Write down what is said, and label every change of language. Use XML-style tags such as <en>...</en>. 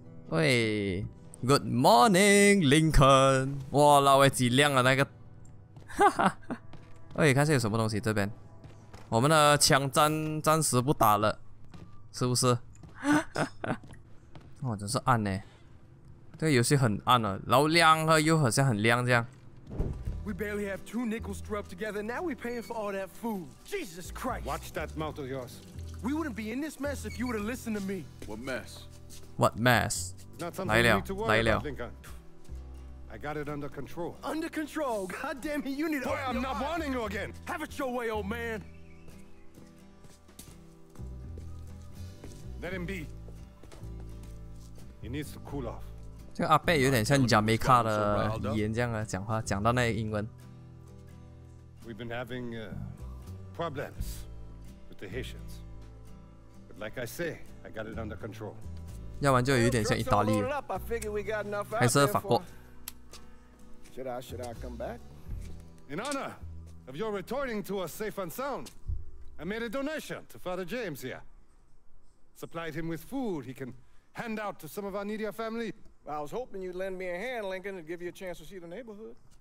<zh>喂 ，</zh> <en>Good morning，</en> <zh>Lincoln， 哇，老外几亮啊那个，哈哈。喂，看一下有什么东西这边，我们的枪暂时不打了，是不是？哈哈。哦，真是暗呢，这个游戏很暗了，然后亮了又好像很亮这样。</zh> <en>We barely have two nickels to rub together, now we're paying for all that food. Jesus Christ! Watch that mouth of yours. We wouldn't be in this mess if you would have listened to me. What mess? What mess? Not something you need to worry about, Lincoln. I got it under control. Under control? God damn it, you need to... Boy, I'm not warning you again. Have it your way, old man. Let him be. He needs to cool off.</en> <zh>这个阿贝有点像 Jamaica 的语言这样的讲话，讲到那个英文。</zh> <en>We've been having problems with the Haitians. Like I say, I got it under control.</en> <zh>要不然就有点像意大利，还是法国。</zh> <en>Should I come back? In honor of your returning to us safe and sound, I made a donation to Father James here. Supplied him with food he can hand out to some of our needier family. I was hoping you'd lend me a hand, Lincoln, and give you a chance to see the neighborhood.</en>